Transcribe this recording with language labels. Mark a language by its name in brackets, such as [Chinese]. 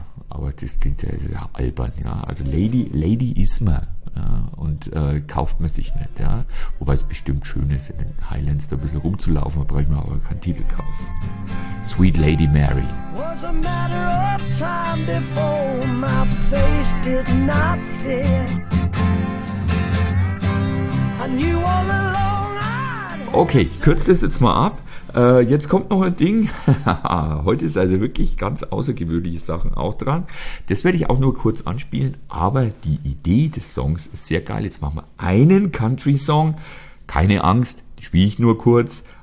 [German] Aber das klingt ja sehr albern, ja. Also Lady ist man, ja, und kauft man sich nicht, ja. Wobei es bestimmt schön ist, in den Highlands da ein bisschen rumzulaufen, da brauche ich mir aber keinen Titel kaufen. [English] Sweet Lady Mary. Was a matter of time before my face did not fit. [German] Okay, ich kürze das jetzt mal ab. Jetzt kommt noch ein Ding. Heute ist also wirklich ganz außergewöhnliche Sachen auch dran. Das werde ich auch nur kurz anspielen, aber die Idee des Songs ist sehr geil. Jetzt machen wir einen Country-Song. Keine Angst, spiele ich nur kurz.